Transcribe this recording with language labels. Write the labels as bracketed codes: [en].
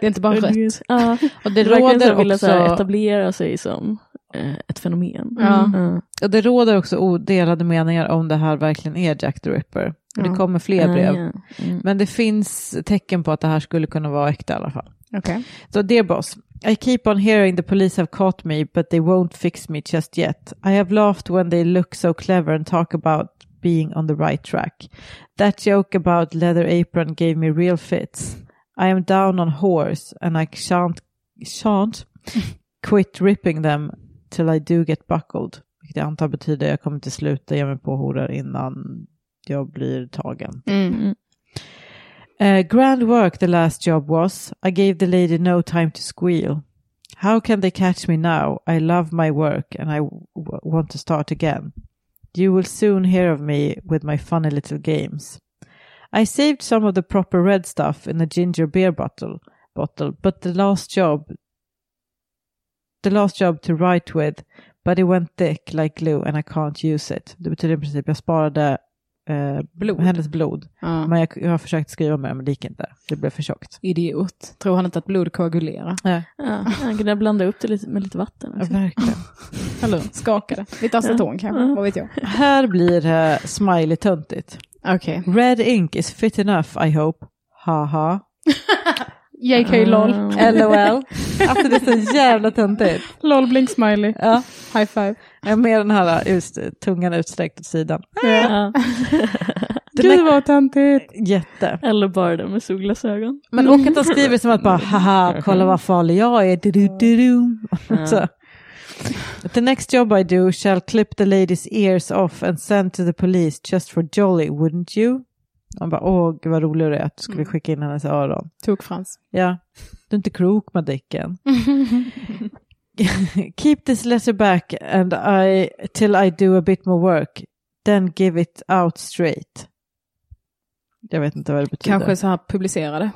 [sv] Det är inte bara rött. Och det råder också... Det verkar etablera sig som ett fenomen. Mm. Mm. Och det råder också odelade meningar om det här verkligen är Jack the Ripper. Och det kommer fler brev. Yeah. Mm. Men det finns tecken på att det här skulle kunna vara äkta i alla fall. Okay. [en] Så Dear Boss, I keep on hearing the police have caught me, but they won't fix me just yet. I have laughed when they look so clever and talk about being on the right track. That joke about leather apron gave me real fits. I am down on whores and I shan't quit ripping them till I do get buckled. [sv] Vilket jag antar betyder att jag kommer till sluta ge mig på horor innan jag blir tagen. Mm. [en] Grand work the last job was. I gave the lady no time to squeal. How can they catch me now? I love my work and I want to start again. You will soon hear of me with my funny little games. I saved some of the proper red stuff in the ginger beer bottle, but the last job the last job to write with, but it went thick like glue and I can't use it. [sv] Det betyder i princip att jag sparade hennes blod. Ja. Men jag har försökt skriva med, men det gick inte. Det blev för tjockt. Idiot. Tror han inte att blod koagulerar? Ja. Han kunde blanda upp det lite med lite vatten. Ja, verkligen. Eller skakade. Lite aceton kanske, vad vet jag. Här blir smiley töntigt. Okay. [en] Red ink is fit enough, I hope. Haha. JK lol. LOL. [sv] Alltså det är så jävla töntigt. Lol blink smiley. Ja. [en] High five. [sv] Jag är med den här just, tungan utsträckt åt sidan. Ja. Gud vad töntigt. Jätte. Eller bara den med solglasögon. Men och att han skriver som att bara haha, kolla vad farlig jag är. Du, du, du, du. Så. [en] The next job I do shall clip the lady's ears off and send to the police just for jolly, wouldn't you? [sv] Han bara, åh gud vad rolig det är att du skulle skicka in hennes öron. Tog Frans. Ja, du är inte krok med dicken. [en] Keep this letter back and I till I do a bit more work. Then give it out straight. [sv] Jag vet inte vad det betyder. Kanske så här publicerade.